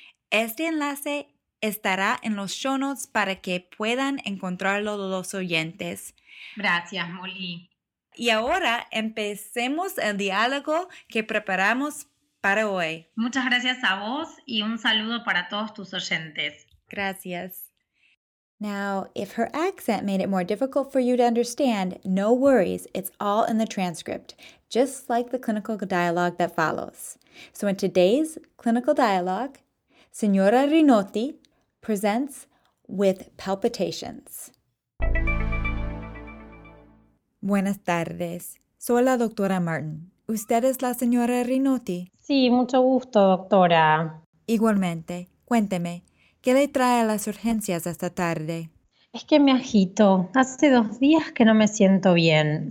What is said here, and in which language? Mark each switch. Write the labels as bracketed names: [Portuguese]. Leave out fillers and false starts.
[Spanish] Este enlace estará en los show notes para que puedan encontrarlo los oyentes. Gracias, Molly. Y ahora empecemos el diálogo que preparamos para hoy. Muchas gracias a vos y un saludo para todos tus oyentes. Gracias. [English] Now, if her accent made it more difficult for you to understand, no worries, it's all in the transcript, just like the clinical dialogue that follows. So in today's clinical dialogue, Señora Rinotti presents with palpitations. [Spanish] Buenas tardes. Soy la doctora Martin. ¿Usted es la señora Rinotti? Sí, mucho gusto, doctora. Igualmente. Cuénteme, ¿qué le trae a las urgencias esta tarde? Es que me agito. Hace 2 días que no me siento bien.